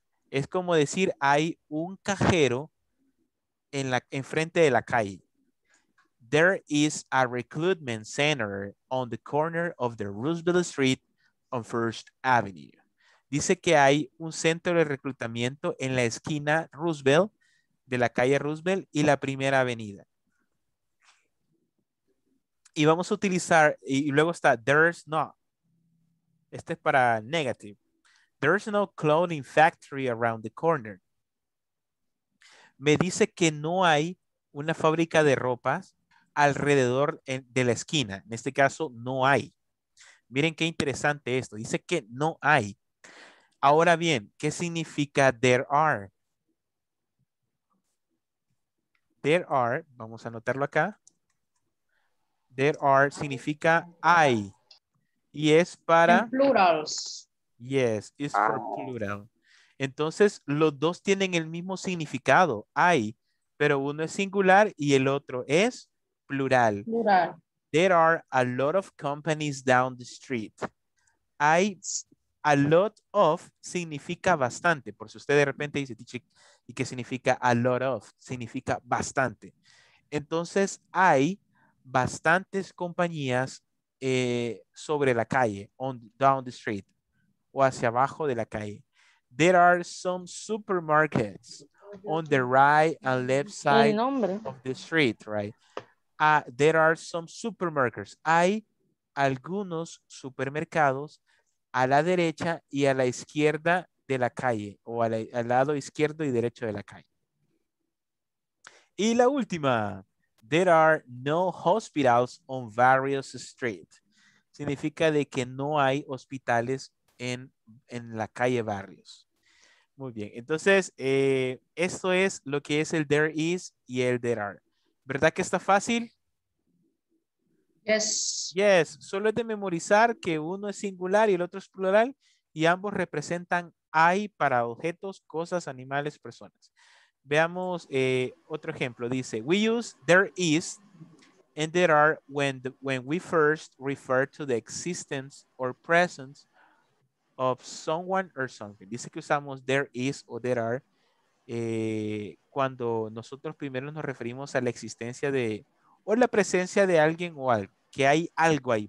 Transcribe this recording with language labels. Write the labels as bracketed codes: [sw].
[es] Es como decir, hay un cajero enfrente de la calle. [en] There is a recruitment center on the corner of the Roosevelt Street on First Avenue. [es] Dice que hay un centro de reclutamiento en la esquina Roosevelt, de la calle Roosevelt y la primera avenida. Y vamos a utilizar, y luego está, there's not. Este es para negative. [en] There's no clothing factory around the corner. [es] Me dice que no hay una fábrica de ropas alrededor de la esquina. En este caso, no hay. Miren qué interesante esto. Dice que no hay. Ahora bien, ¿qué significa there are? There are, vamos a anotarlo acá. There are significa hay. Y es para... [en] In plurals. Yes, it's for plural. [es] Entonces, los dos tienen el mismo significado, hay, pero uno es singular y el otro es plural. Plural. [en] There are a lot of companies down the street. [es] Hay, a lot of significa bastante, por si usted de repente dice, ¿Y qué significa a lot of? Significa bastante. Entonces, hay bastantes compañías sobre la calle, down the street, o hacia abajo de la calle. [en] There are some supermarkets on the right and left side of the street, right? There are some supermarkets. [es] Hay algunos supermercados a la derecha y a la izquierda de la calle, o al lado izquierdo y derecho de la calle. Y la última, [en] there are no hospitals on various streets. [es] Significa de que no hay hospitales en la calle Barrios. Muy bien, entonces, esto es lo que es el there is y el there are. ¿Verdad que está fácil? [en] Yes. [es] Yes, solo es de memorizar que uno es singular y el otro es plural, y ambos representan hay para objetos, cosas, animales, personas. Veamos otro ejemplo. [en] Dice, we use there is and there are when we first refer to the existence or presence of someone or something. [es] Dice que usamos there is o there are cuando nosotros primero nos referimos a la existencia de o la presencia de alguien o algo, que hay algo ahí.